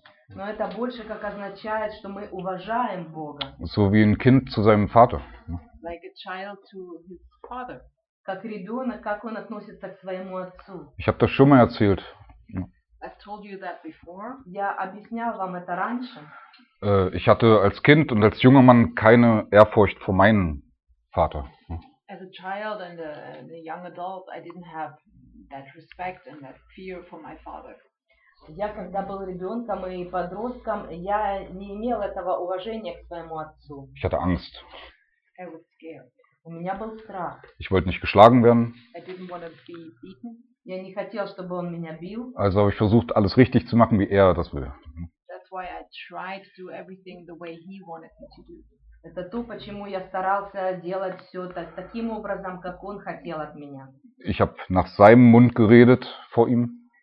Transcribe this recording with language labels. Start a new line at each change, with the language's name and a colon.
Russian: Но это больше как означает, что мы уважаем Бога.
German: So wie ein Kind zu seinem Vater.
English: Like a child to his father.
Russian: Как ребенок, как он относится к своему отцу.
German: Ich habe das schon mal erzählt.
English: I've told you that before.
Russian: Я объяснял вам это раньше.
German: Ich hatte als Kind und als junger Mann keine Ehrfurcht vor meinem Vater.
English: As a child and a young adult, I didn't have that respect and that fear for my father.
Russian: Я когда был ребенком и подростком, я не имел этого уважения к своему отцу.
German: Ich hatte Angst.
English: I was scared.
Russian: У меня был страх.
German: Ich wollte nicht geschlagen werden.
English: I didn't want to be beaten.
Russian: Я не хотел, чтобы он меня бил.
German: Also habe ich versucht, alles richtig zu machen, wie er das will.
English: That's why I tried to do everything the way he wanted me to do.
Russian: Это то, почему я старался делать все так, таким образом, как он хотел от меня.
German: Ich habe nach seinem Mund geredet vor ihm.